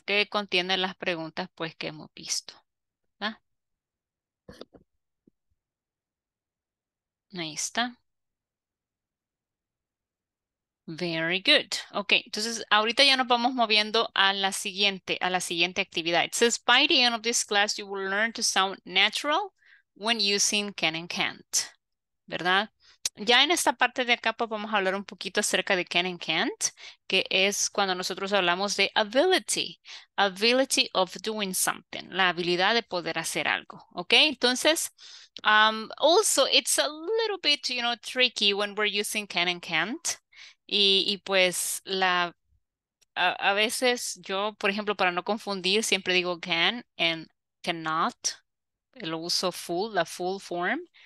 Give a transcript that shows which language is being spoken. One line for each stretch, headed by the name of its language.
Spanish: Que contiene las preguntas, pues, que hemos visto, ¿verdad? Ahí está.
English: Very good.
Spanish: Ok, entonces ahorita ya nos vamos moviendo a la siguiente actividad.
English: It says, by the end of this class, you will learn to sound natural when using can and can't.
Spanish: ¿Verdad? Ya en esta parte de acá pues vamos a hablar un poquito acerca de can and can't, que es cuando nosotros hablamos de
English: ability of doing something,
Spanish: la habilidad de poder hacer algo, ¿ok? Entonces,
English: also, it's a little bit, you know, tricky when we're using can and can't,
Spanish: y pues a veces yo, por ejemplo, para no confundir, siempre digo can and cannot, lo uso full, la full form.